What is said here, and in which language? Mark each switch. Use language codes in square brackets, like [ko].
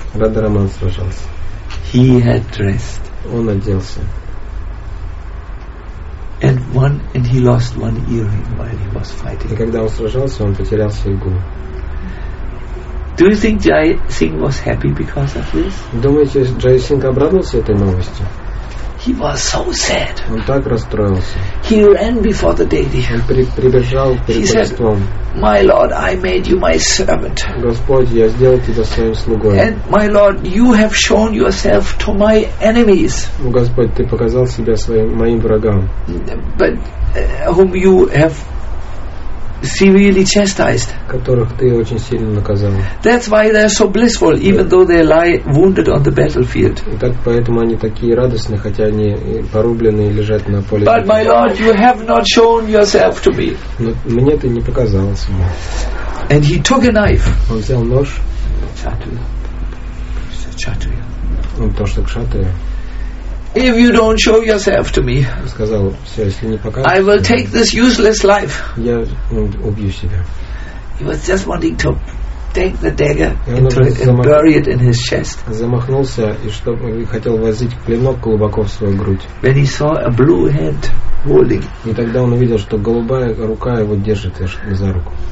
[ru] Radha Raman сражался. [en] He had dressed. [ru] Он оделся. [en] And he lost one earring while he was fighting. [ru] И когда он сражался, он потерял серьгу. [en] Do you think Jai Singh was happy because of this? [ru] Думаете, Джай Сингх обрадовался этой новостью? [en] He was so sad. [ru] Он так расстроился. [en] He ran before the deity. [ru] Он прибежал перед божеством. [en] My Lord, I made you my servant. [ru] Господь, я сделал тебя своим слугой. [en] And my Lord, you have shown yourself to my enemies. [ru] Господь, ты показал себя моим врагам. [en] But whom you have severely chastised. [ru] Которых ты очень сильно наказал. [en] That's why they're so blissful, yeah. Even though they lie wounded on the battlefield. [ru] И так поэтому они такие радостные, хотя они порублены и лежат на поле. [en] But my Lord, you have not shown yourself to me. [ru] Но мне ты не показал себя. [en] And he took a knife. [ru] Он взял нож. Кшатрия. Ну то что кшатрия. [en] If you don't show yourself to me, [ru] сказал, все, если не покажешь, [en] I will take this useless life. [ru] Я убью себя. [en] He was just wanting to take the dagger and bury it in his chest. [ru] Замахнулся и чтобы хотел возить клинок глубоко в свою грудь. [en] When he saw a blue hand holding. [ru] И тогда он увидел, что голубая рука его держит за руку.